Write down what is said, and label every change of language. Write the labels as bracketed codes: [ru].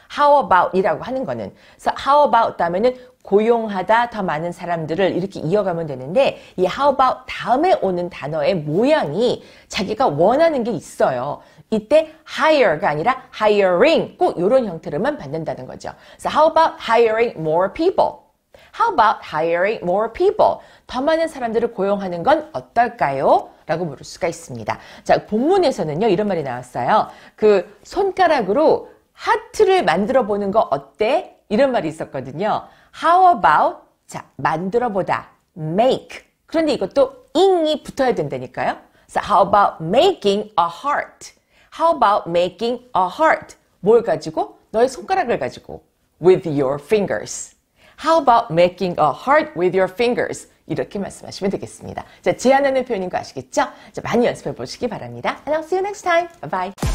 [ko] How about 이라고 하는 거는. So how about 다음에는 고용하다, 더 많은 사람들을 이렇게 이어가면 되는데, 이 how about 다음에 오는 단어의 모양이 자기가 원하는 게 있어요. 이때 hire가 아니라 hiring, 꼭 이런 형태로만 받는다는 거죠. [en] So how about hiring more people? How about hiring more people? [ko] 더 많은 사람들을 고용하는 건 어떨까요? 라고 물을 수가 있습니다. 자, 본문에서는요, 이런 말이 나왔어요. 그 손가락으로 하트를 만들어 보는 거 어때? 이런 말이 있었거든요. [en] How about? [ko] 자, 만들어 보다. Make. 그런데 이것도 ing이 붙어야 된다니까요. [en] So how about making a heart? How about making a heart? [ko] 뭘 가지고? 너의 손가락을 가지고. [en] With your fingers. How about making a heart with your fingers? [ko] 이렇게 말씀하시면 되겠습니다. 자, 제안하는 표현인 거 아시겠죠? 자, 많이 연습해 보시기 바랍니다. [en] And I'll see you next time. Bye bye.